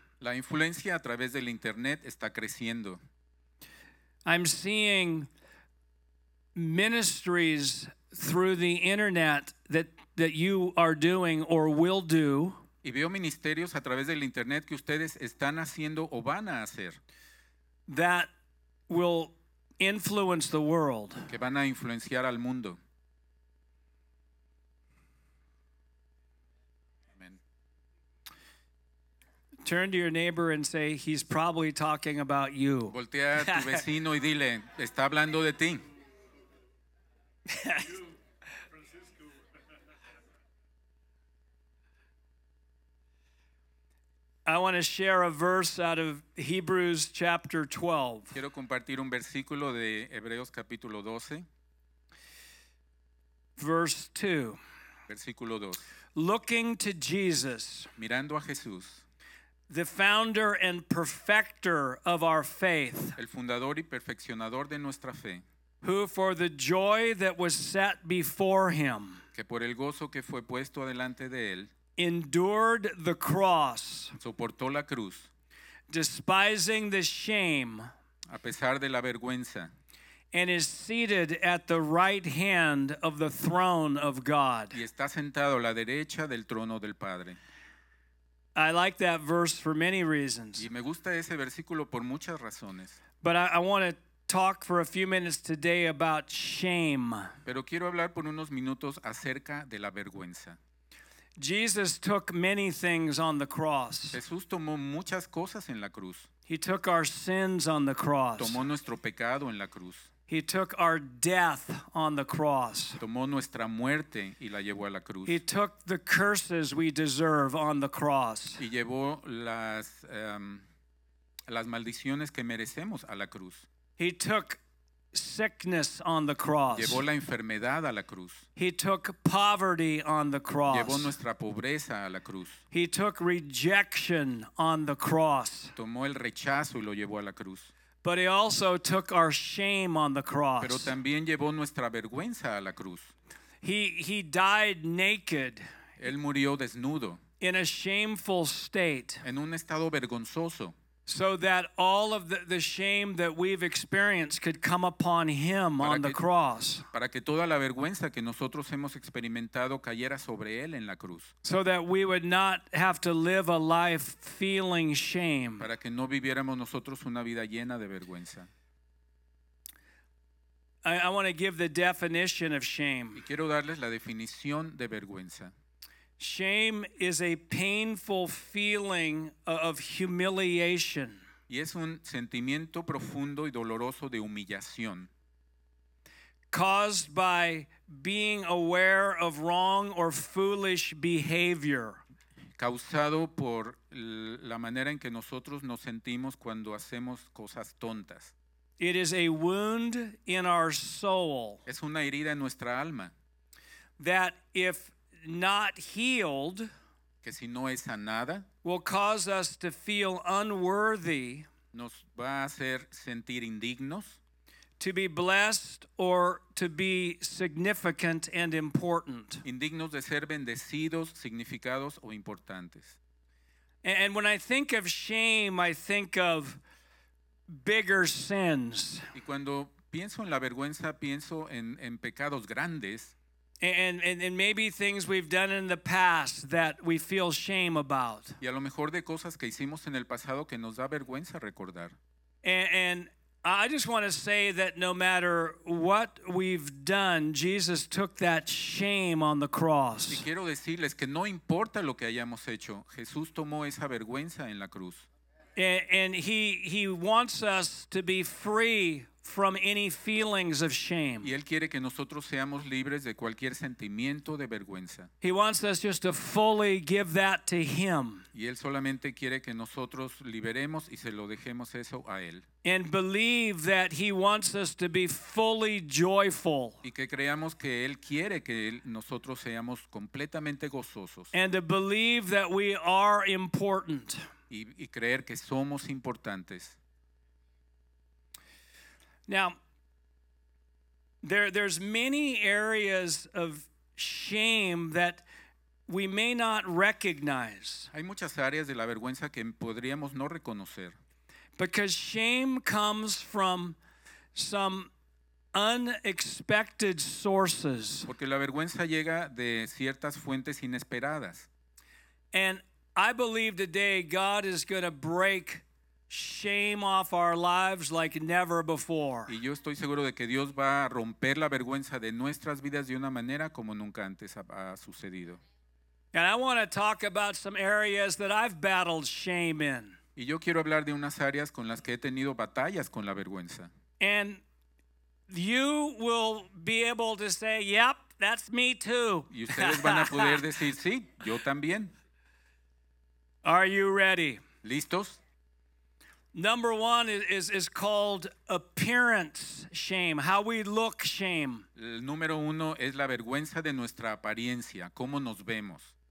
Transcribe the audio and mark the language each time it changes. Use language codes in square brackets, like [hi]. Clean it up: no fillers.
[es] La influencia a través del internet está creciendo. [en] I'm seeing ministries through the internet that you are doing or will do. [es] Y veo ministerios a través del internet que ustedes están haciendo o van a hacer. [en] That will influence the world. [es] Que van a influenciar al mundo. [en] Turn to your neighbor and say, he's probably talking about you. [es] Voltea a tu vecino y dile, está hablando de ti. [en] I want to share a verse out of Hebrews chapter 12. [es] Quiero compartir un versículo de Hebreos capítulo 12. [en] Verse 2. [es] Versículo [en] 2. Looking to Jesus. [es] Mirando a Jesús. [en] The founder and perfecter of our faith. [es] El fundador y perfeccionador de nuestra fe. [en] Who for the joy that was set before him. [es] Que por el gozo que fue puesto delante de él. [en] Endured the cross. [es] Soportó la cruz. [en] Despising the shame. [es] A pesar de la vergüenza. [en] And is seated at the right hand of the throne of God. [es] Y está sentado a la derecha del trono del Padre. [en] I like that verse for many reasons. [es] Y me gusta ese versículo por muchas razones. [en] But I want to talk for a few minutes today about shame. [es] Pero quiero hablar por unos minutos acerca de la vergüenza. [en] Jesus took many things on the cross. [es] Jesús tomó muchas cosas en la cruz. [en] He took our sins on the cross. [es] Tomó nuestro pecado en la cruz. [en] He took our death on the cross. [es] Tomó nuestra muerte y la llevó a la cruz. [en] He took the curses we deserve on the cross. [es] Y llevó las maldiciones que merecemos a la cruz. [en] He took sickness on the cross. [es] Llevó la enfermedad a la cruz. [en] He took poverty on the cross. [es] Llevó nuestra pobreza a la cruz. [en] He took rejection on the cross. [es] Tomó el rechazo y lo llevó a la cruz. [en] But he also took our shame on the cross. [es] Pero también llevó nuestra vergüenza a la cruz. [en] He died naked. [es] Él murió desnudo. [en] In a shameful state. [es] En un estado vergonzoso. [en] So that all of the shame that we've experienced could come upon him on the cross. [es] Para que toda la vergüenza que nosotros hemos experimentado cayera sobre él en la cruz. [en] So that we would not have to live a life feeling shame. [es] Para que no viviéramos nosotros una vida llena de vergüenza. [en] I want to give the definition of shame. [es] Y quiero darles la definición de vergüenza. [en] Shame is a painful feeling of humiliation. [es] Y es un sentimiento profundo y doloroso de humillación. [en] Caused by being aware of wrong or foolish behavior. [es] Causado por la manera en que nosotros nos sentimos cuando hacemos cosas tontas. [en] It is a wound in our soul. [es] Es una herida en nuestra alma. [en] That if not healed, [es] que si no es sanada, [en] will cause us to feel unworthy, [es] nos va a hacer sentir indignos, [en] to be blessed or to be significant and important. [es] Indignos de ser bendecidos, significados o importantes. [en] And when I think of shame, I think of bigger sins. [es] Y cuando pienso en la vergüenza, pienso en pecados grandes. [en] And maybe things we've done in the past that we feel shame about. [es] Y a lo mejor de cosas que hicimos en el pasado que nos da vergüenza recordar. [en] And I just want to say that no matter what we've done, Jesus took that shame on the cross. [es] Y quiero decirles que no importa lo que hayamos hecho, Jesús tomó esa vergüenza en la cruz. [en] And he wants us to be free from any feelings of shame. [es] Y él quiere que nosotros seamos libres de cualquier sentimiento de vergüenza. [en] He wants us just to fully give that to him. [es] Y él solamente quiere que nosotros liberemos y se lo dejemos eso a él. [en] And believe that he wants us to be fully joyful. [es] Y que creamos que él quiere que nosotros seamos completamente gozosos. [en] And to believe that we are important. [es] Y creer que somos importantes. [en] Now, there's many areas of shame that we may not recognize. [es] Hay muchas áreas de la vergüenza que podríamos no reconocer. [en] Because shame comes from some unexpected sources. [es] Porque la vergüenza llega de ciertas fuentes inesperadas. [en] And I believe today God is going to break shame off our lives like never before. [es] Y yo estoy seguro de que Dios va a romper la vergüenza de nuestras vidas de una manera como nunca antes ha sucedido. [en] And I want to talk about some areas that I've battled shame in. [es] Y yo quiero hablar de unas áreas con las que he tenido batallas con la vergüenza. [en] And you will be able to say, "Yep, that's me too." [es] Y ustedes van a poder decir, "Sí, yo también." [en] Are you ready? [es] ¿Listos? [en] Number one is called appearance shame, how we look shame. [es] El número uno es la vergüenza de nuestra apariencia, cómo nos vemos.